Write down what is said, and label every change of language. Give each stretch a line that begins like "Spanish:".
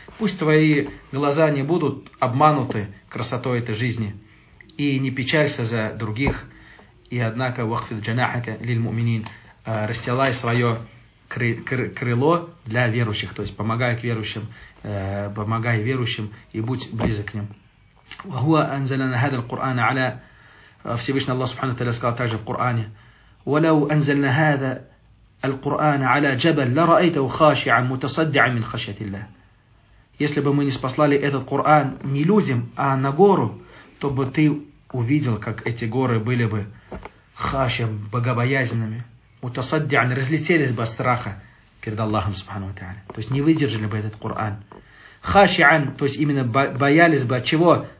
Russian: Пусть твои глаза не будут обмануты красотой этой жизни. И не печалься за других, и однако
Arabic: وَخْفِضْ جَنَاحَكَ لِلْمُؤْمِنِينَ,
Russian: расстилай свое крыло для верующих, то есть помогай к верующим, помогай верующим и будь близок к ним.
Arabic: وَهُوَ أَنزَلَنَا هَذَا الْقُرْآنَ عَلَى,
Russian: Всевышний Аллах Субхану Тааля сказал также в Коране:
Arabic: وَلَوْ أَنزَلْنَا هَذَا الْقُرْآنَ عَلَى جَبَلْ لَرَأَيْتَهُ خَاشِعًا مُتَصَدِّعًا مِنْ خَشْيَةِ اللَّهِ.
Russian: Если бы мы не спаслали этот Коран не людям, а на гору, чтобы ты увидел, как эти горы были бы хашем, богобоязненными, утасаддиан, разлетелись бы от страха перед Аллахом Субхану ва Тааля. То есть не выдержали бы этот Коран. Хашиан, то есть именно боялись бы от чего?